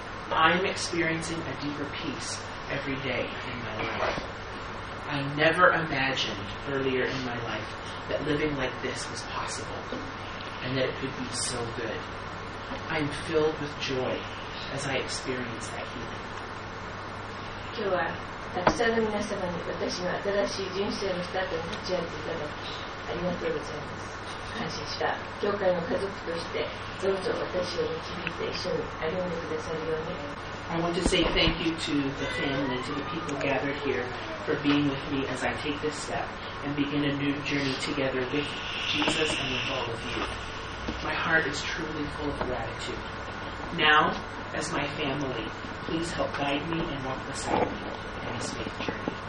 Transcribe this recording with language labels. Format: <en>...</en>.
<en>I'm experiencing a deeper peace every day in my life. I never imagined earlier in my life that living like this was possible and that it could be so good. I'm filled with joy as I experience that healing.</en> <ja>今日はたくさんの皆様に私の新しい人生のスタートに立ち会っていただきありがとうございます。感謝した教会の家族としてどうぞ私を導いて一緒に歩んでくださるように。</ja> <en>I want to say thank you to the family, to the people gathered here for being with me as I take this step and begin a new journey together with Jesus and with all of youMy heart is truly full of gratitude. Now, as my family, please help guide me and walk beside me in this faith journey.</en>